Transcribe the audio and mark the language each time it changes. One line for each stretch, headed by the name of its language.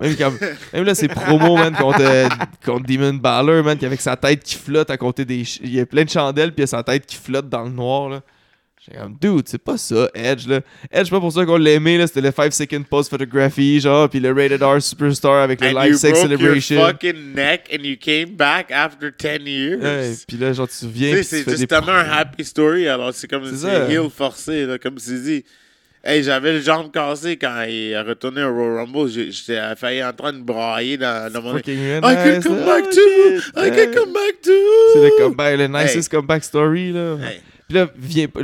French: Même là, c'est promo, man, contre Demon Balor, man, qui avec sa tête qui flotte à côté des... Il y a plein de chandelles, puis il y a sa tête qui flotte dans le noir, là. J'étais comme « Dude, c'est pas ça, Edge, là. » Edge, pas pour ça qu'on l'aimait, là. C'était le 5-second post photography, genre, pis le Rated R Superstar avec le Live Sex Celebration.
English: And you broke your fucking neck and you came back after 10 years.
French: Ouais, pis là, genre, tu te souviens... C'est juste tellement un happy story, alors. C'est comme si c'est heel forcé, là, comme si dit. Hey, j'avais le jambe cassée quand il a retourné au Royal Rumble. J'étais failli en train de brailler dans mon...
English: I can come back too!
French: C'est le comeback, le nicest comeback story, là. Puis là, viens pas.